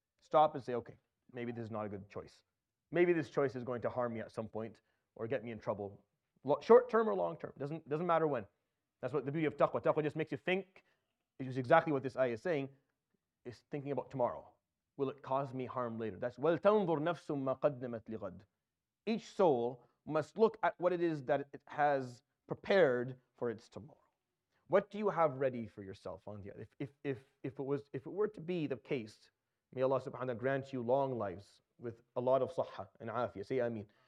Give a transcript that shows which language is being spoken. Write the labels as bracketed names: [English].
[English] Stop and say, okay, maybe this is not a good choice. Maybe this choice is going to harm me at some point or get me in trouble. Short term or long term. Doesn't matter when. That's what the beauty of taqwa. Taqwa just makes you think, which is exactly what this ayah is saying, is thinking about tomorrow. Will it cause me harm later? That's [Arabic] وَلْتَنْظُرْ نَفْسٌ مَّا قَدَّمَتْ لِغَدْ. [English] Each soul must look at what it is that it has prepared for its tomorrow. What do you have ready for yourself on the other? If it were to be the case, may Allah subhanahu wa ta'ala grant you long lives with a lot of sahha and afiyah. Say ameen.